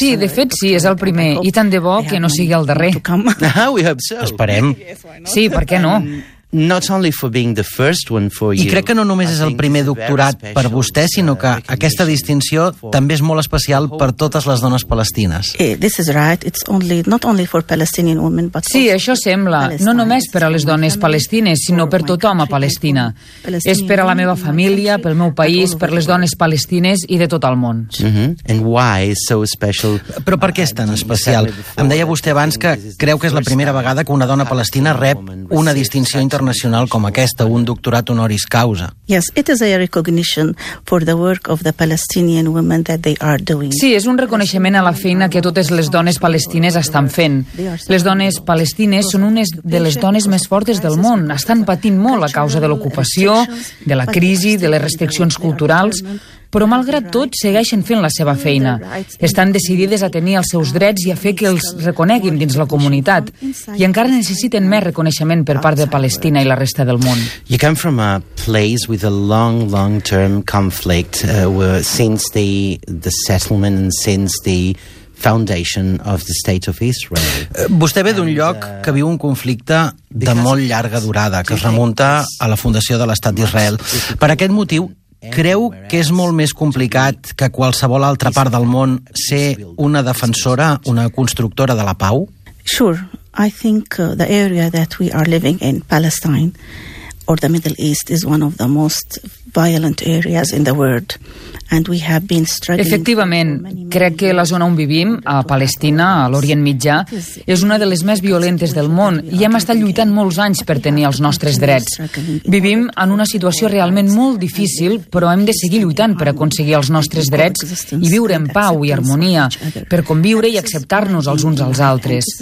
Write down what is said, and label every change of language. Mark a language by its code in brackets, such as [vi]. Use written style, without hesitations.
[ca] Sí, de fet sí, és el primer i tant de bo que no sigui el darrer. [en] We hope so. [ca] Esperem. Sí, per què no? [en] Not only for being the first one for you. [ca] I crec que no només és el primer doctorat per vostè, sinó que aquesta distinció també és molt especial per totes les dones palestines. [en] This is right. It's only not only for Palestinian women, but [ca] sí, això sembla, no només per a les dones palestines, sinó per tothom a Palestina. És per a la meva família, pel meu país, per les dones palestines i de tot el món. [en] And why is so special? [ca] Però per què és tan especial? Em deia vostè abans que creu que és la primera vegada que una dona palestina rep una distinció internacional internacional com aquesta, un doctorat honoris causa. [en] Yes, it is a recognition for the work of the Palestinian women that they are doing. [ca] Sí, és un reconeixement a la feina que totes les dones palestines estan fent. Les dones palestines són unes de les dones més fortes del món. Estan patint molt a causa de l'ocupació, de la crisi, de les restriccions culturals, però malgrat tot segueixen fent la seva feina. Estan decidides a tenir els seus drets i a fer que els reconeguin dins la comunitat i encara necessiten més reconeixement per part de Palestina i la resta del món. [en] You come from a place with a long, long-term conflict since the settlement and since the foundation of the state of Israel. [ca] Vostè ve d'un lloc que viu un conflicte de molt llarga durada, que es remunta a la fundació de l'estat d'Israel. Per aquest motiu, creu que és molt més complicat que qualsevol altra part del món ser una defensora, una constructora de la pau? [en] Sure, I think the area that we are living in, Palestine or the Middle East, is one of the most violent areas in the world. And we have been struggling. [ca] Efectivament, crec que la zona on vivim, a Palestina, a l'Orient Mitjà, és una de les més violentes del món i hem estat lluitant molts anys per tenir els nostres drets. Vivim en una situació realment molt difícil, però hem de seguir lluitant per aconseguir els nostres drets i viure en pau i harmonia, per conviure i acceptar-nos els uns als altres.